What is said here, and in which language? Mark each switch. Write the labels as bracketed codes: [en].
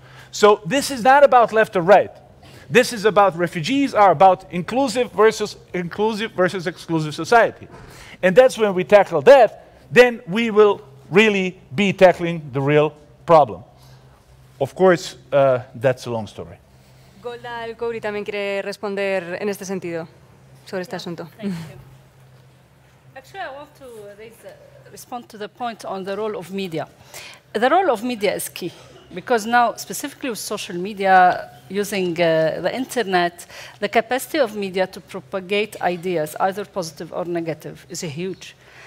[en] So this is not about left or right. This is about refugees are about inclusive versus exclusive society. And that's when we tackle that, then we will really be tackling the real problem. Of course, that's a long story. [es] Golda Alcouri también quiere responder en este sentido, sobre este asunto. [en] Thank you. Actually, I want to respond to the point on the role of media. The role of media is key. Because now, specifically with social media, using the internet, the capacity of media to propagate ideas, either positive or negative, is huge.